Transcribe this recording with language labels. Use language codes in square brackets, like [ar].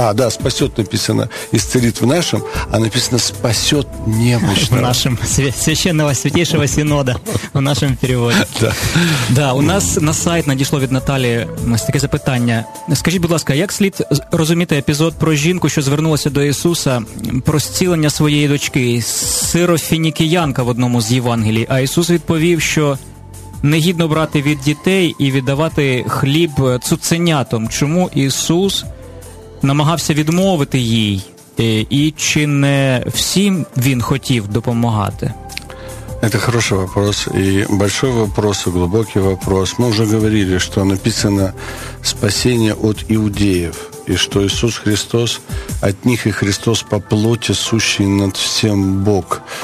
[ru] Спасет написано, исцелит в нашем, а написано спасет немощного. В нашем священного святейшего синода, в нашем переводе. Да. [uk] Да, у нас на сайт надійшло від Наталії таке запитання. Скажіть, будь ласка, як слід розуміти епізод про жінку, що звернулася до Ісуса про зцілення своєї дочки, сирофінікіянка в одному з Євангелій, а Ісус відповів, що негідно брати від дітей і віддавати хліб цуценятам. Чому Ісус намагався відмовити їй? І чи не всім він хотів допомагати? [ru] Это хороший вопрос, и большой вопрос, и глубокий вопрос. Мы уже говорили, что написано «спасение от иудеев», и что Иисус Христос от них и Христос по плоти сущий над всем Бог.